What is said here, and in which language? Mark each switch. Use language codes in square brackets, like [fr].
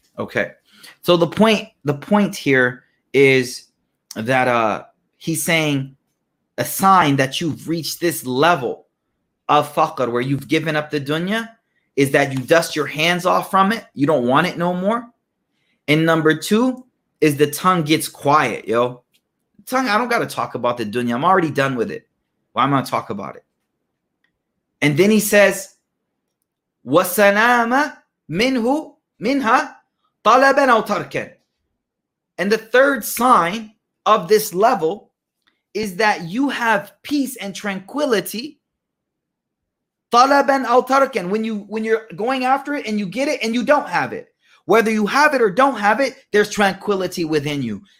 [en] Okay, so the point here is that he's saying a sign that you've reached this level of faqr, where you've given up the dunya, is that you dust your hands off from it. You don't want it no more. And number two, is the tongue gets quiet, yo. Tongue, I don't got to talk about the dunya. I'm already done with it. Why am I going to talk about it? And then he says, [ar] وَسَلَامَ مِنْهُ مِنْهَا طَلَبًا أَوْ تَرْكًا. [en] And the third sign of this level is that you have peace and tranquility. [ar] طَلَبًا أَوْ تَرْكًا. [en] When you're going after it and you get it and you don't have it. Whether you have it or don't have it, there's tranquility within you.